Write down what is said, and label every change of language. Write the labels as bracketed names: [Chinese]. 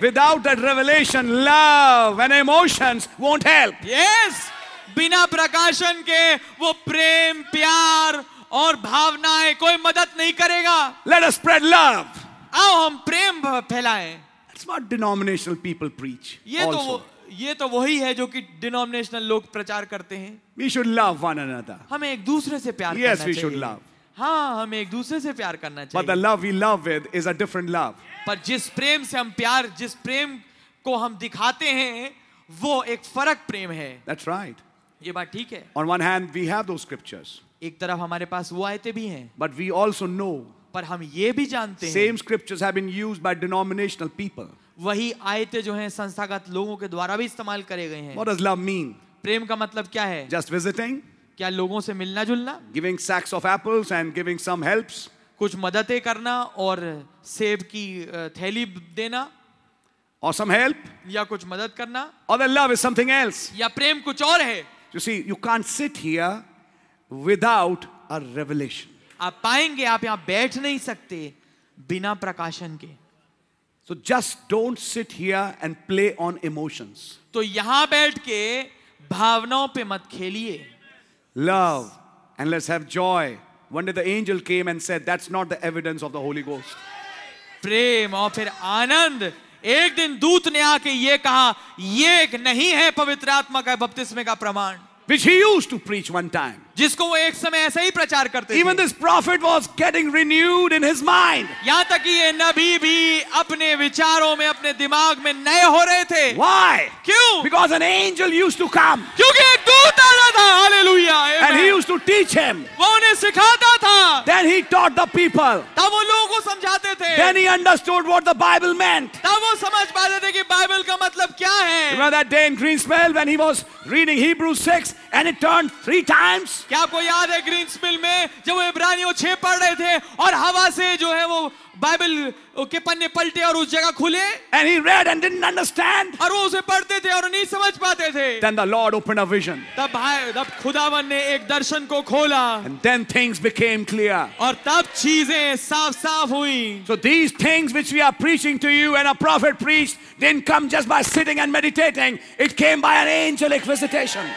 [English] Without that revelation, love and emotions won't help. Yes. [Hindi] बिना प्रकाशन के वो प्रेम प्यार और भावनाएं कोई मदद नहीं करेगा. [English] Let us spread love. [Hindi] आओ हम प्रेम फैलाएं. [English] That's what denominational people preach. [Hindi] ये तो वही है जो कि denominational लोग प्रचार करते हैं. [English] We should love one another. [Hindi] हमें एक दूसरे से प्यार [English] yes, [Hindi] करना [English] we should love. [Hindi] हाँ, हमें एक दूसरे से प्यार करना चाहिए. [English] But the love we love with is a different love. [Hindi] पर जिस प्रेम से हम प्यार, जिस प्रेम को हम दिखाते हैं वो एक फर्क प्रेम है. [English] That's right. [Hindi] ये बात ठीक है. [English] On one hand, we have those scriptures. [Hindi] एक तरफ हमारे पास वो आयतें भी हैं. [English] But we also know. [Hindi] पर हम ये भी जानते हैं. [English] Same scriptures have been used by denominational people. [Hindi] वही आयतें जो हैं संस्थागत लोगों के द्वारा भी इस्तेमाल करे गए हैं. [English] What does love mean? [Hindi] प्रेम का मतलब क्या है? [English] Just visiting? [Hindi] क्या लोगों से मिलना जुलना? [English] Giving sacks of apples and giving some helps? [Hindi] कुछ मदद करना और सेब की थैली देना? [English] Or some help? [Hindi] या कुछ मदद करना? [English] Or the love is something else? [Hindi] या प्रेम कुछ और है? [English] You see, you can't sit here without a revelation. [Hindi] आप पाएंगे आप यहां बैठ नहीं सकते बिना प्रकाशन के. [English] So just don't sit here and play on emotions. [Hindi] तो यहां बैठ के भावनाओं पे मत खेलिए. [English] Love and let's have joy. One day the angel came and said, that's not the evidence of the Holy Ghost. [Hindi] प्रेम और फिर आनंद. एक दिन दूत ने आके ये कहा, ये एक नहीं है पवित्र आत्मा का बपतिस्मे का प्रमाण. [English] Which he used to preach one time. [Hindi] जिसको वो एक समय ऐसे ही प्रचार करते थे. [English] Even this prophet was getting renewed in his mind. [Hindi] यहाँ तक कि ये नबी भी अपने विचारों में, अपने दिमाग में नए हो रहे थे. [English] Why? [Hindi] क्यों? [English] Because an angel used to come. [Hindi] क्योंकि एक दूत आता था. Hallelujah. Amen. [English] And he used to teach him. [Hindi] वो उन्हें सिखाता था. [English] Then he taught the people. [Hindi] तब वो लोगों को समझाते थे. [English] Then he understood what the Bible meant. [Hindi] तब वो समझ पाते थे कि बाइबल का मतलब क्या है. [English] Remember that day in Greensville when he was reading Hebrews 6 and it turned 3 times? [Hindi] क्या आपको याद है ग्रीनस्पिल में जब वो इब्रानियों 6 पढ़ रहे थे और हवा से जो है वो बाइबल के पन्ने पलटे और उस जगह खुले. [English] And he read and didn't understand. [Hindi] और वो उसे पढ़ते थे और नहीं समझ पाते थे. [English] Then the Lord opened a vision. [Hindi] तब खुदावन ने एक दर्शन को खोला. [English] And then things became clear. [Hindi] और तब चीजें साफ साफ हुई. [English] So these things which we are preaching to you and a prophet preached didn't come just by sitting and meditating. It came by an angelic visitation.